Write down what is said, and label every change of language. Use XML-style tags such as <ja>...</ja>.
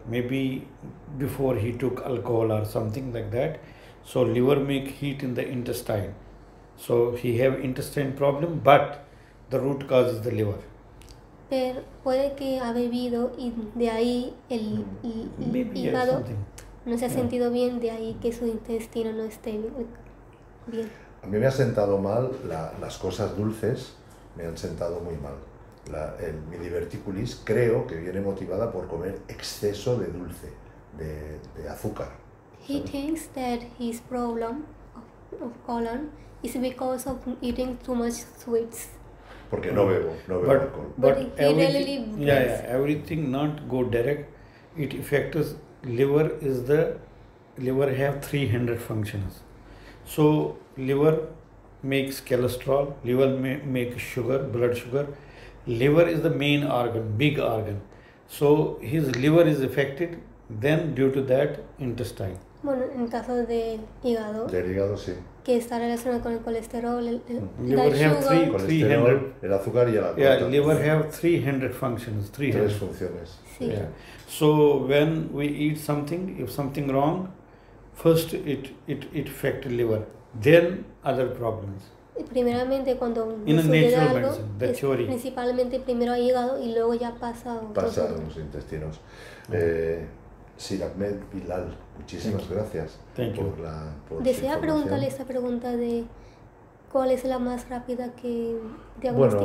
<en>Maybe before he took alcohol or something like that. So liver make heat in the intestine. So he have intestine problem, but the root cause is the liver.</en> <es>Pero puede que ha bebido y de ahí el hígado no se ha sentido bien, de ahí que su intestino no esté bien. A mí me ha sentado mal, las cosas dulces me han sentado muy mal. Mi diverticulis creo que viene motivada por comer exceso de dulce, de azúcar.</es> <en>He thinks that his problem of colon is because of eating too much sweets.</en> <es>Porque no bebo, alcohol.</es> <en>But he really breaks. Yeah, everything not go direct. It affects liver is the, liver have 300 functions. So liver makes cholesterol, liver make sugar, blood sugar. Liver is the main organ, big organ. So his liver is affected, then due to that intestine.</en> <es>Bueno, en caso del hígado. Del hígado, sí. Que está relacionado con el colesterol, el azúcar y el alcohol.</es> <en>Yeah, liver have 300 functions. 300.</en> <es>Tres funciones. Sí.</es> <en>Yeah. So when we eat something, if something wrong, first it affect liver, then other problems.</en> <es>Primeramente cuando</es> <en>in a natural medicine, the theory.</en> <es>Principalmente primero al hígado y luego ya pasa a los intestinos. Sir Ahmed Bilal, muchísimas gracias.</es> <en>Thank</en> <es>por</es> <en>you.</en> <es>Desea preguntarle esta pregunta de cuál es la más rápida que diagnóstica.</es>